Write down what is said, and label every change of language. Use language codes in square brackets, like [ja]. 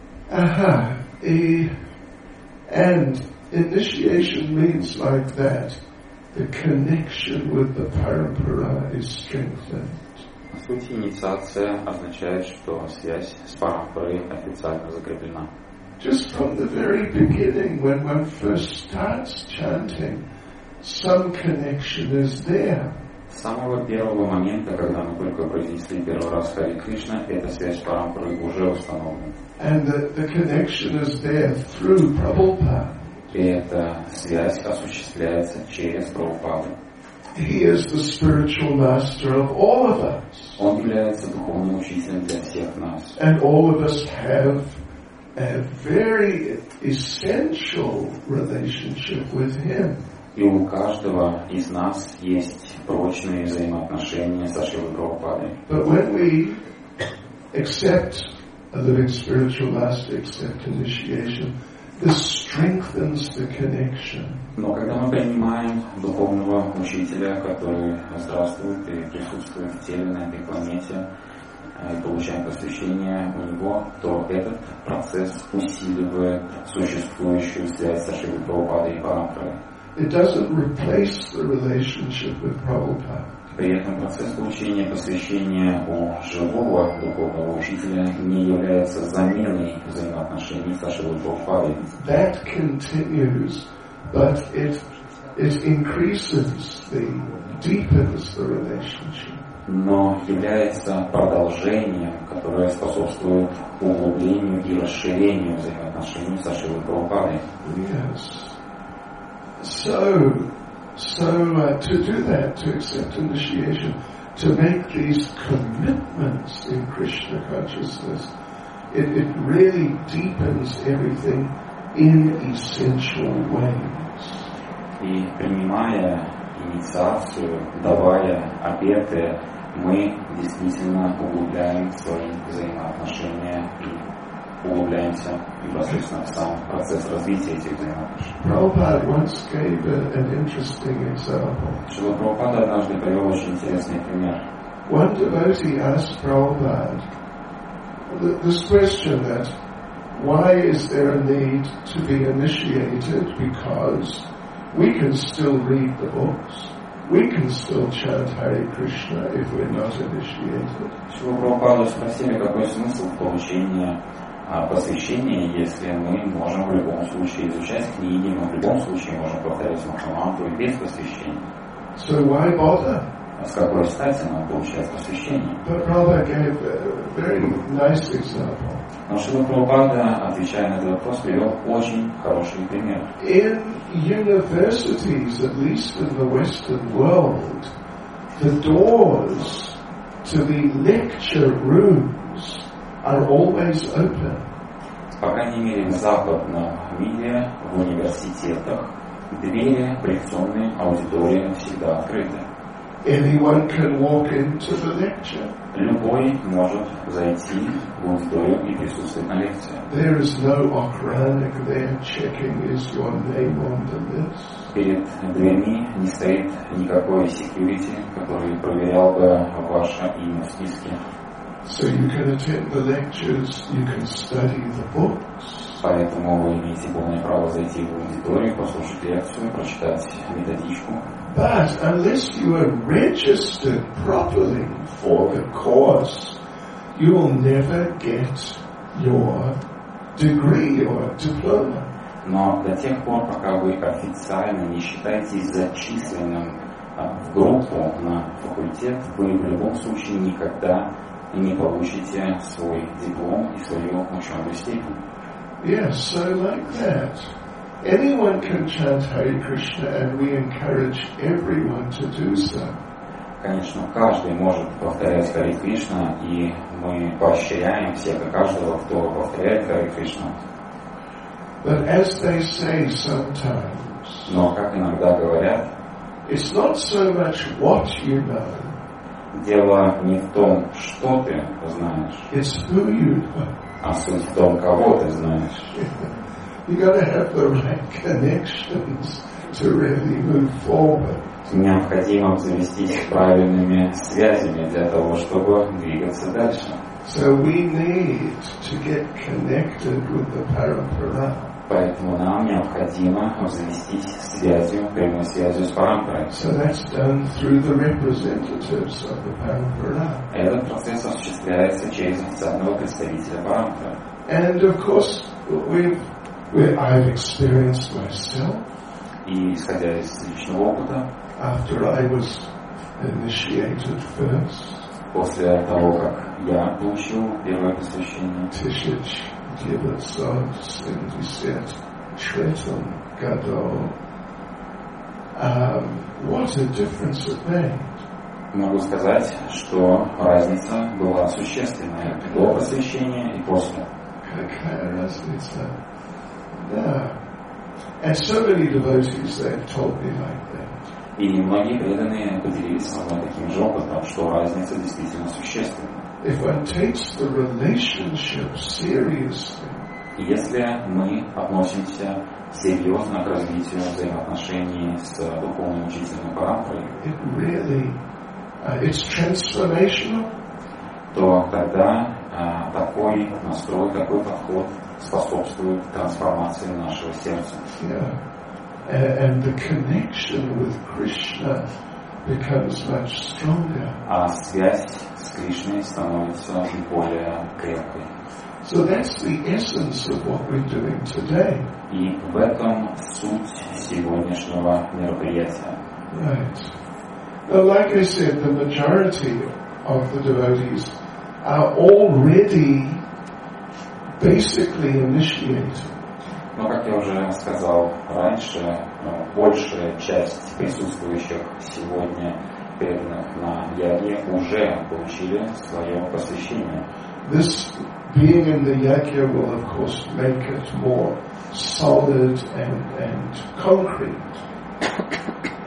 [ru] Ага. И [en] and initiation means like that. The connection with the parampara is strengthened. [ru] В сути, инициация означает, что связь с парампарой официально закреплена. [en] Just from the very beginning, when one first starts chanting, some connection is there. [ru] С самого первого момента, когда мы только произнесли первый раз Хари Кришна, эта связь с парампарой уже установлена. [en] And the connection is there through Prabhupada. [ru] И эта связь осуществляется через Прабхупаду. [en] He is the spiritual master of all of us. [ru] Он является духовным учителем для всех нас. [en] And all of us have a very essential relationship with him. [ru] И у каждого из нас есть прочные взаимоотношения со Шрилой Прабхупадой. [en] But when we accept a living spiritual master, accept initiation, this strengthens the connection. [ru] Но когда мы принимаем духовного учителя, который здравствует и присутствует в теле на этой планете, и получаем посвящение у него, то этот процесс усиливает существующую связь со Шрилой Прабхупадой и Парампарой. [en] It doesn't replace the relationship with Prabhupada. [ru] При этом процесс получения посвящения у живого духовного учителя не является заменой взаимоотношений со Шрилой Прабхупадой. [en] That continues, but it increases deepens the relationship. [ru] Но является продолжением, которое способствует углублению и расширению взаимоотношений со Шрилой Прабхупадой. [en] Yes. So, to do that, to accept initiation, to make these commitments in Krishna consciousness, it really deepens everything in essential ways. [ru] И принимая инициацию, давая обеты, мы действительно углубляем свои взаимоотношения и углубляемся непосредственно в сам процесс развития этих взаимоотношений. [en] Prabhupada once gave an interesting example. [ru] Шрила Прабхупада однажды привел очень интересный пример. [en] One devotee asked Prabhupada this question that why is there a need to be initiated? Because we can still read the books. We can still chant Hare Krishna if we're not initiated. [ru] Шрила Прабхупада спросили, какой смысл в получении посвящения, если мы можем в любом случае изучать книги, мы в любом случае можем повторять Махамантру и без посвящения. [en] So why bother? [ru] А с какой стати нам получать посвящение? [en] But Prabhupada gave a very nice example. [ru] Но Шрила Прабхупада, отвечая на этот вопрос, привел очень хороший пример. [en] In universities, at least in the Western world, the doors to the lecture rooms are always open. [ru] По крайней мере, в западном мире, в университетах, двери в лекционные аудитории всегда открыты. [en] Anyone can walk into the lecture. [ru] Любой может зайти в аудиторию и присутствовать на лекции. [en] There is no [ru] охранник [en] there checking is your name on the list. [ru] Перед дверьми не стоит никакой [en] security, [ru] который проверял бы ваше имя в списке. [en] So you can attend the lectures, you can study the books. [ru] Поэтому вы имеете полное право зайти в аудиторию, послушать лекцию, прочитать методичку. [en] But unless you are registered properly for the course, you will never get your degree or diploma. [ru] Но до тех пор, пока вы официально не считаетесь зачисленным в группу на факультет, вы в любом случае никогда и не получите свой диплом и свою ученую степень. [en] Yes, so like that. Anyone can chant Hare Krishna, and we encourage everyone to do so. [ru] Конечно, каждый может повторять Хари Кришна, и мы поощряем всех и каждого, кто повторяет Хари Кришна. [en] But as they say sometimes, [ru] но как иногда говорят, [en] it's not so much what you know. [ru] Дело не в том, что ты знаешь. [en] It's who you know. [ru] А суть в том, кого ты знаешь. [en] You gotta have the right connections to really move forward. [ru] Необходимо завести их правильными связями для того, чтобы двигаться дальше. [en] So we need to get connected with the Parampara. [ru] Поэтому нам необходимо завести связью, прямой связью с Парампарой. [en] So that's done through the representatives of the Parampara. [ru] Этот процесс осуществляется через официального представителя Парампары. [en] And of course, I've experienced myself. [ru] И исходя из личного опыта, [en] after I was initiated first, [ru] после того, как я получил первое посвящение, Тишич Дивет Сад Синдисет Тритон Гадол, [en] what a difference it made. [ru] Могу сказать, что разница была существенная до посвящения и после. Какая разница? Да. [en] And so many devotees, they have told me like that. [ru] И многие преданные поделились со мной таким же опытом, что разница действительно существенна. [en] If one takes the relationship seriously, [ru] если мы относимся серьезно к развитию взаимоотношений с духовным учителем Парампарой, [en] it really, it's transformational. [ru] То тогда такой настрой, такой подход способствует трансформации нашего сердца. [en] Yeah. And the connection with Krishna becomes much stronger. [ru] А связь с Кришной становится более крепкой. [en] So that's the essence of what we're doing today. [ru] И в этом суть сегодняшнего мероприятия. [en] Right. Now, like I said, the majority of the devotees are already basically initiated. [ru] Но, как я уже сказал раньше, большая часть присутствующих сегодня преданных на Яге уже получили свое посвящение. [en] This being in the Yagya will, of course, make it more solid and concrete.